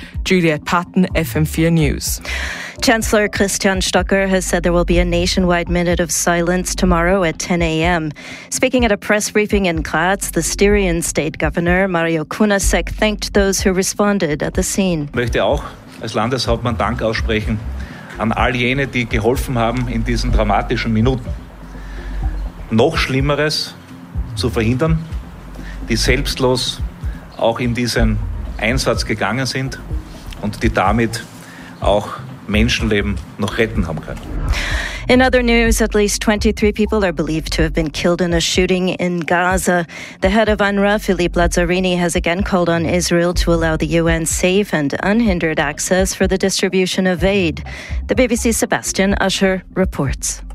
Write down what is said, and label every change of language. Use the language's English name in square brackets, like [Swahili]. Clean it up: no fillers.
[English] Juliet Patton, FM4 News. Chancellor Christian Stocker has said there will be a nationwide minute of silence tomorrow at 10 a.m. Speaking at a press briefing in Graz, the Styrian state governor, Mario Kunasek, thanked those who responded at the scene. [German] Ich möchte auch als Landeshauptmann Dank aussprechen an all jene, die geholfen haben in diesen dramatischen Minuten. Noch Schlimmeres zu verhindern, die selbstlos auch in diesen Einsatz gegangen sind und die damit auch Menschenleben noch retten haben können. [English] In other news, at least 23 people are believed to have been killed in a shooting in Gaza. The head of UNRWA, Philippe Lazzarini, has again called on Israel to allow the UN safe and unhindered access for the distribution of aid. The BBC's Sebastian Usher reports.